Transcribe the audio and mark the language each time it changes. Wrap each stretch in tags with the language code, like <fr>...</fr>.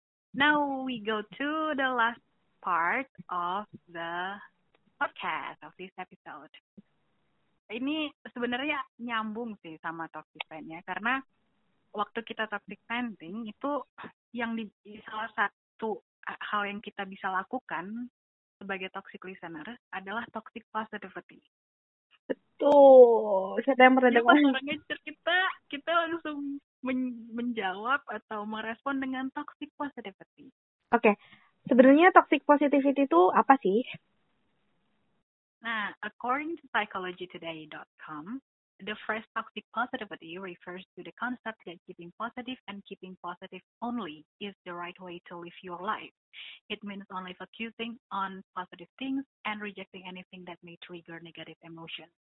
<en>Now we go to the last part of the podcast of this episode.</en> <id>Ini sebenarnya nyambung sih sama toxic friend ya, karena waktu kita toxic friending itu yang di salah satu hal yang kita bisa lakukan sebagai toxic listener adalah toxic positivity. Betul. Siapa yang pernah dengar? Orangnya cerita, kita langsung menjawab atau merespon dengan toxic positivity. Oke. Sebenarnya toxic positivity itu apa sih?</id> <en>Nah, according to psychologytoday.com, the phrase toxic positivity refers to the concept that keeping positive and keeping positive only is the right way to live your life. It means only focusing on positive things and rejecting anything that may trigger negative emotion.</en>